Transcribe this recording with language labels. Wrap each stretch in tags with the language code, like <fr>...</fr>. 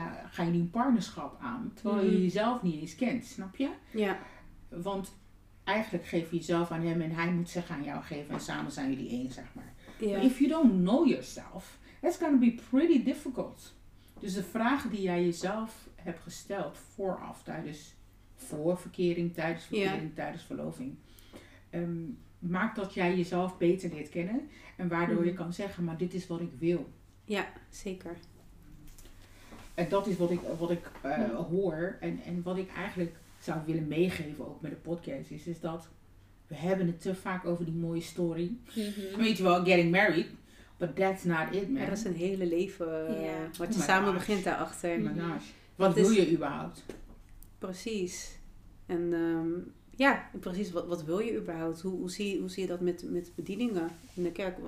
<nl>ga je nu een partnerschap aan, terwijl je jezelf niet eens kent, snap je? Ja. Want eigenlijk geef je jezelf aan hem en hij moet zich aan jou geven en samen zijn jullie één, zeg maar. Ja.</nl> <en>But if you don't know yourself, it's gonna be pretty difficult.</en> <nl>Dus de vragen die jij jezelf hebt gesteld vooraf, tijdens voorverkering, tijdens verkering, tijdens verloving, maakt dat jij jezelf beter leert kennen en waardoor je kan zeggen, maar dit is wat ik wil. Ja, zeker. En dat is wat ik hoor en wat ik eigenlijk zou willen meegeven ook met de podcast is dat we hebben het te vaak over die mooie story. Mm-hmm. Weet je wel,</nl> <en>getting married, but that's not it, man.</en> <nl>Ja, dat is een hele leven wat je samen begint daarachter. Mm-hmm. Wat wil je überhaupt? Precies. En precies, wat wil je überhaupt? Hoe zie je dat met bedieningen in de kerk?</nl>